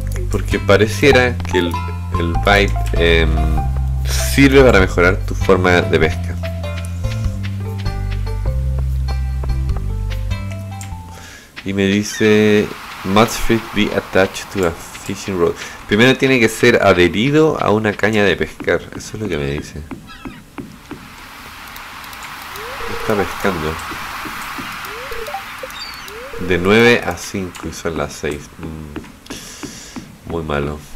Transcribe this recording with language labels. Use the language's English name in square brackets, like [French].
[Spanish] Porque pareciera que el bite sirve para mejorar tu forma de pesca. Y me dice, [English] must fish be attached to a fishing rod. [Spanish] Primero tiene que ser adherido a una caña de pescar. Eso es lo que me dice. Está pescando. De 9 a 5 y son las 6. Muy malo.